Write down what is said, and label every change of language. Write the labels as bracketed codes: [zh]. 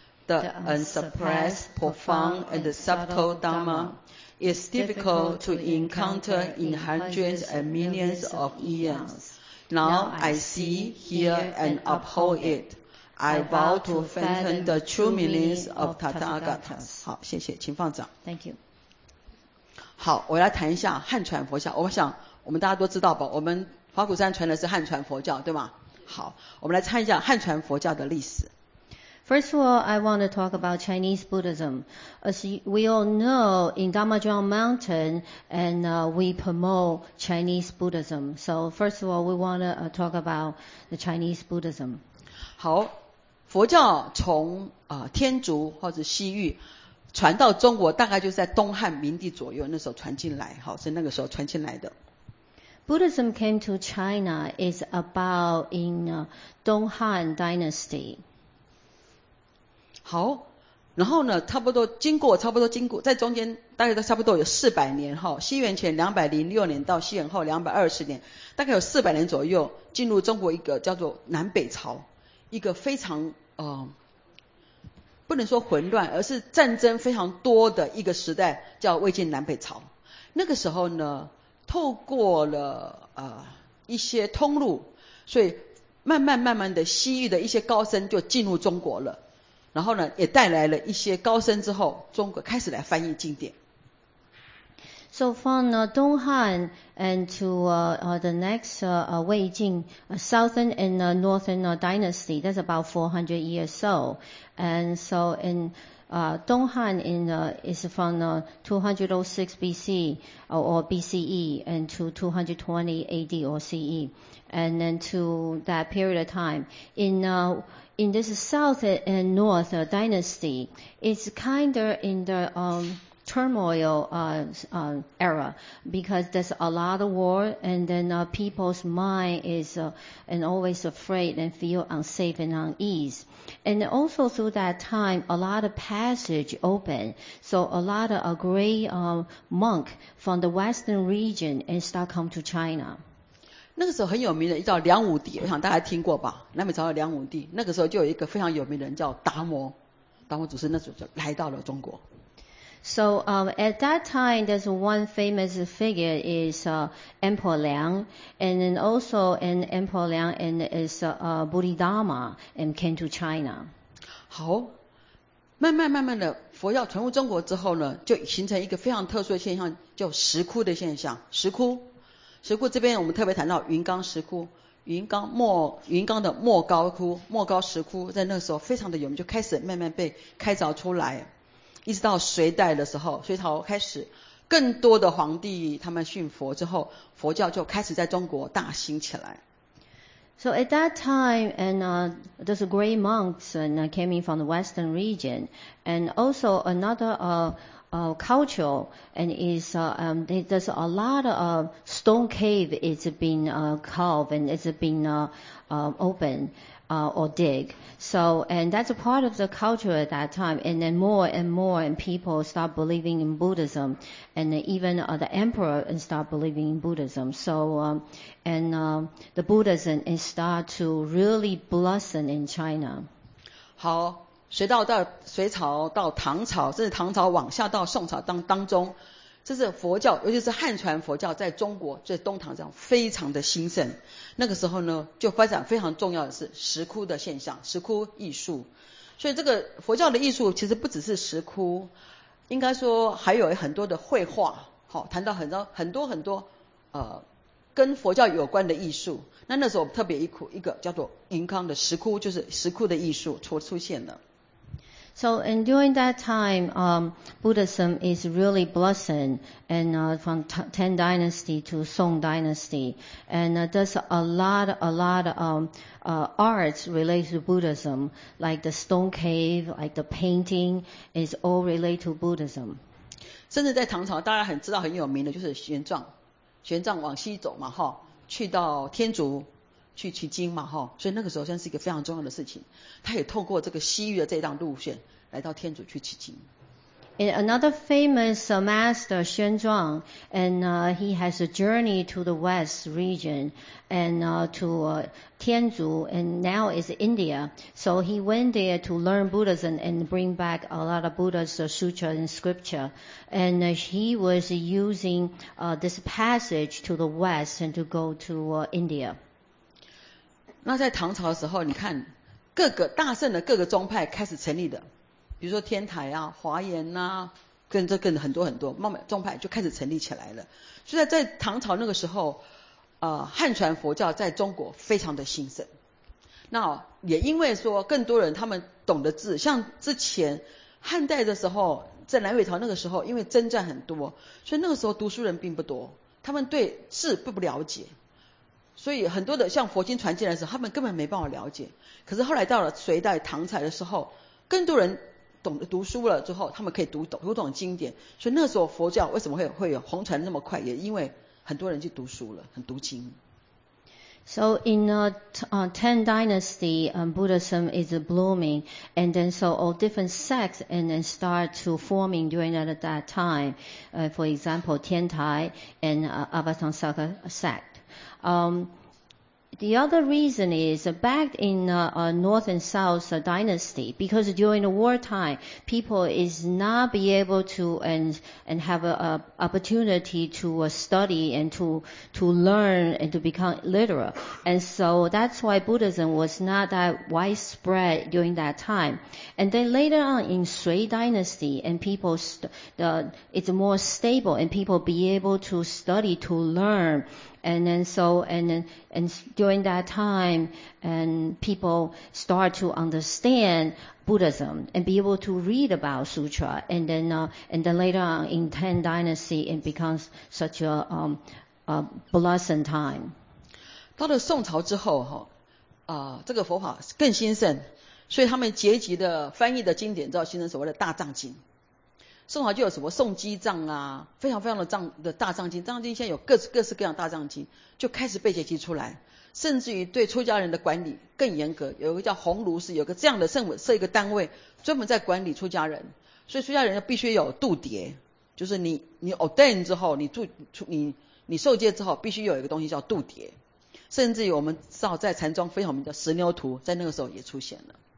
[en] The unsurpassed, profound, and subtle Dharma is difficult to encounter in hundreds and millions of eons. Now I see, hear, and uphold it. I vow to fathom the true meanings of Tathagata. [zh] 好，谢谢，请放掌。 [en] Thank you. [zh] 好我来谈一下汉传佛教我想我们大家都知道吧我们花果山传的是汉传佛教对吗好我们来参一下汉传佛教的历史 [en] First of all I want to talk about Chinese Buddhism As we all know in Damajuan Mountain and we promote Chinese Buddhism So first of all we want to talk about the Chinese Buddhism [zh] 好佛教从天竺或者西域传到中国大概就是在东汉明帝左右那时候传进来好是那个时候传进来的 [en] Buddhism came to China is about in Dong Han Dynasty [zh] 好然后呢差不多经过在中间大概都差不多有400年西元前206年到西元后220年大概有400年左右进入中国一个叫做南北朝一个非常不能说混乱而是战争非常多的一个时代叫魏晋南北朝那个时候呢透过了一些通路所以慢慢的西域的一些高僧就进入中国了然后呢也带来了一些高僧之后中国开始来翻译经典 [en] So from Dong Han and to the next 魏晋 Southern and Northern Dynasty that's about 400 years soAnd so in Dong Han is from 206 BC or BCE and to 220 AD or CE and then to that period of time in this South and North dynasty it's kind of in the turmoil era because there's a lot of war and then people's mind is and always afraid and feel unsafe and uneasy and also through that time a lot of passage open so a lot of great monk from the western region and start come to China [zh] 那个时候很有名的叫梁武帝我想大家听过吧南北朝的梁武帝那个时候就有一个非常有名的人叫达摩当我祖师那时候就来到了中国。 [en] So, at that time, there's one famous figure is, Emperor Liang, and then also an Emperor Liang and is, Bodhidharma and came to China. [zh] 好。慢慢慢慢的佛教传入中国之后呢，就形成一个非常特殊的现象，叫石窟的现象。石窟。石窟这边我们特别谈到云冈石窟。云冈的莫高窟，莫高石窟在那个时候非常的有名，就开始慢慢被开凿出来，一直到隋代的时候，隋朝开始更多的皇帝他们信佛之后，佛教就开始在中国大兴起来。 [en] So at that time, and those great monks and came in from the western region, and also another culture, and is there's a lot of stone cave is being carved and it's been open or dig. So and that's a part of the culture at that time. And then more and more and people start believing in Buddhism, and even the emperor and start believing in Buddhism. So the Buddhism is start to really blossom in China. [zh] 好。隋朝到唐朝，甚至唐朝往下到宋朝当中，这是佛教，尤其是汉传佛教在中国，在东唐这样非常的兴盛。那个时候呢，就发展非常重要的是石窟的现象，石窟艺术。所以这个佛教的艺术其实不只是石窟，应该说还有很多的绘画，好，谈到很多跟佛教有关的艺术。那那时候特别一个叫做云冈的石窟，就是石窟的艺术出现了。 [en] So, and during that time, Buddhism is really blossoming, and, from Tang Dynasty to Song Dynasty. And, there's a lot of arts related to Buddhism, like the stone cave, like the painting, is all related to Buddhism. [zh] 甚至在唐朝，大家很知道很有名的就是玄奘。玄奘往西走嘛，齁，去到天竺。去取经嘛，哈，所以那个时候算是一个非常重要的事情。他也透过这个西域的这一趟路线，来到天竺去取经。 [en] And another famous master, Xuan Zhuang, and he has a journey to the west region, and to Tianzhu, and now is India. So he went there to learn Buddhism and bring back a lot of Buddha's sutra and scripture. And he was using this passage to the west and to go to India. [zh] 那在唐朝的时候，你看各个大圣的各个宗派开始成立的，比如说天台啊、华严啊，跟很多很多宗派就开始成立起来了。所以在唐朝那个时候，汉传佛教在中国非常的兴盛。那也因为说更多人他们懂得字，像之前汉代的时候，在南北朝那个时候，因为征战很多，所以那个时候读书人并不多，他们对字不了解。所以很多的像佛经传进来的时候，他们根本没办法了解。可是后来到了隋代、唐朝的时候，更多人懂得读书了之后，他们可以读懂经典。所以那时候佛教为什么会有红传那么快，也因为很多人去读书了，很读经。 [en] So in the Tang Dynasty, Buddhism is blooming, and then so all different sects and then start to forming during that time. For example, Tiantai and Avatamsaka sect. The other reason is back in North and South Dynasty, because during the wartime, people is not be able to and have a opportunity to study and to learn and to become literate. And so that's why Buddhism was not that widespread during that time. And then later on in Sui Dynasty, and people, it's more stable and people be able to study, to learn. And then so, and during that time, and people start to understand Buddhism and be able to read about sutra. And then later on in Tang Dynasty, it becomes such a blossom time. [zh] 到了宋朝之后，这个佛法更兴盛，所以他们结集的翻译的经典，就形成所谓的大藏经。宋朝就有什么宋基藏啊，非常非常的大藏经，藏经现在有各式各样的大藏经，就开始被结集出来，甚至于对出家人的管理更严格，有一个叫鸿胪寺，有个这样的设一个单位，专门在管理出家人，所以出家人必须有度牒，就是你 ordain 之后，你受戒之后，必须有一个东西叫度牒，甚至于我们知道在禅宗非常有名的石牛图，在那个时候也出现了。